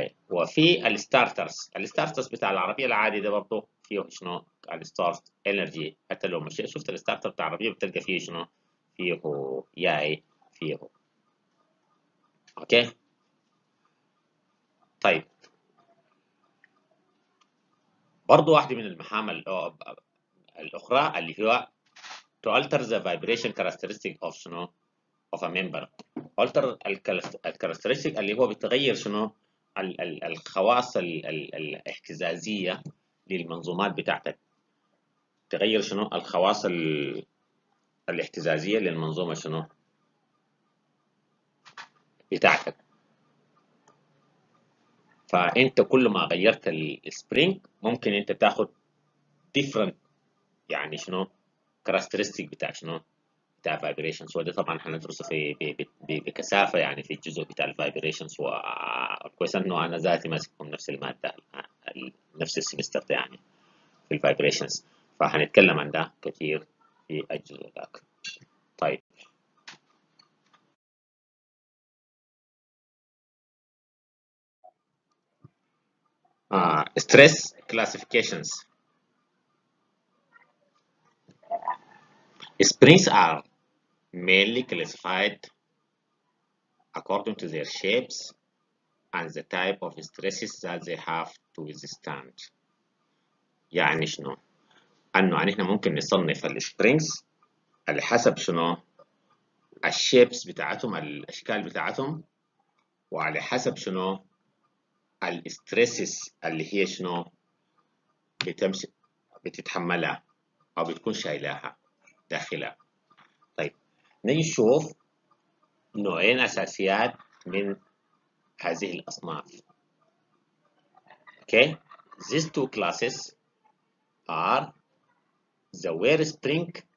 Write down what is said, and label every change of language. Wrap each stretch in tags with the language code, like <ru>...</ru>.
<ar>وفي الستارترز الستارترز بتاع العربية العادي ده برضو فيه شنو الستارت انرجي حتى لو مش شفت الستارتر بتاع العربية بتلقى فيه شنو فيه ياي فيه اوكي طيب برضو واحدة من المهام الأخرى اللي هو</ar> <en>to alter the vibration characteristic of</en> <ar>شنو</ar> <en>of a member.</en> <ar>alter ال characteristic اللي هو بتغير شنو الخواص الاهتزازية للمنظومات بتاعتك. تغير شنو الخواص الاهتزازية للمنظومة شنو بتاعتك. فانت كل ما غيرت السبرينج ممكن انت تاخد different يعني شنو كاركترستيك بتاع شنو بتاع فايبريشنز. وده طبعا هندرسه في بكثافه يعني في الجزء بتاع الفايبريشنز. وكويس انه انا ذاتي ماسكهم نفس الماده نفس السمستر يعني في الفايبريشنز, فهنتكلم عن ده كثير في الجزء ذاك. طيب ستريس كلاسيفيكيشنز.</ar> <en>Springs are mainly classified according to their shapes and the type of stresses that they have to withstand.</en> <ar>يعني شنو؟ أنه يعني إحنا ممكن نصنف السبرينجز على حسب شنو؟ الشيبس بتاعتهم الأشكال بتاعتهم وعلى حسب شنو؟ الستريسز اللي هي شنو؟ بتمشي بتتحملها أو بتكون شايلاها داخلها. طيب نشوف نوعين اساسيات من هذه الاصناف.</ar> <en>Okay, these two classes are the wear spring.</en>